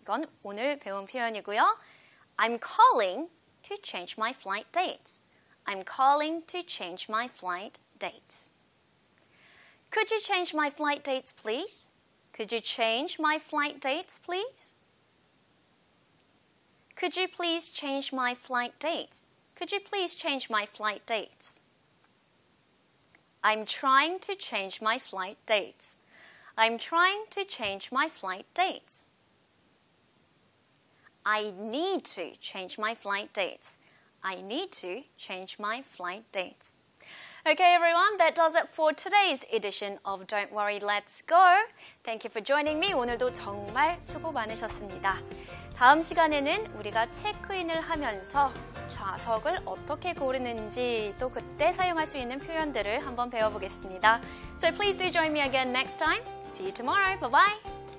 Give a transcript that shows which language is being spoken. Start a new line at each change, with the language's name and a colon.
Korean: 이건 오늘 배운 표현이고요.
English: I'm calling to change my flight date. I'm calling to change my flight date. Could you change my flight dates, please? Could you change my flight dates, please? Could you please change my flight dates? Could you please change my flight dates? I'm trying to change my flight dates. I'm trying to change my flight dates. I need to change my flight dates. I need to change my flight dates. Okay, everyone, that does it for today's edition of Don't Worry, Let's Go. Thank you for joining me.
Korean: 오늘도 정말 수고 많으셨습니다. 다음 시간에는 우리가 체크인을 하면서 좌석을 어떻게 고르는지 또 그때 사용할 수 있는 표현들을 한번 배워보겠습니다.
English: So please do join me again next time. See you tomorrow. Bye-bye.